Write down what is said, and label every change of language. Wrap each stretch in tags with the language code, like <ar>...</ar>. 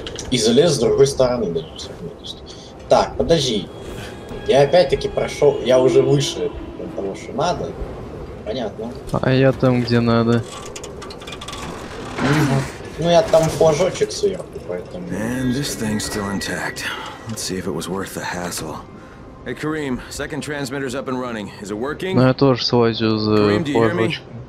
<ru>И залез с другой стороны даже. Так, подожди. Я опять-таки прошел, я уже выше того, что надо. Понятно. А я там, где надо. Ну я там флажочек сверху, поэтому.</ru> <en>And this thing still intact. Let's see if it was worth the hassle. Hey, Kareem, second transmitter's up and running. Is it working?</en> <ru>Ну, я тоже слазил за флажочку.</ru>